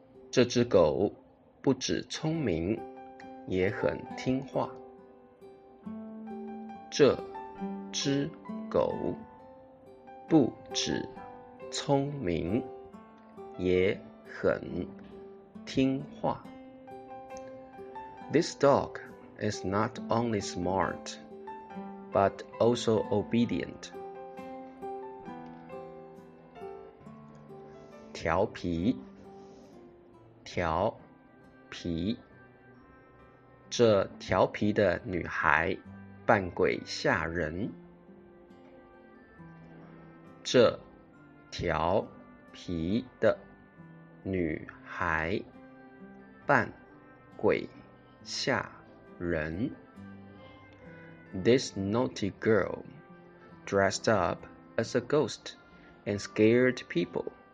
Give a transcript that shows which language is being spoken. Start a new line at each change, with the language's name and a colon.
Chinese: 这只狗不止聪明，也很听话。这只狗不止聪明，也很听话。
English: This dog is not only smart, but also obedient.
Chinese: 调皮，调皮。这调皮的女孩扮鬼吓人。这调皮的女孩扮鬼吓人。
English: This naughty girl dressed up as a ghost and scared people.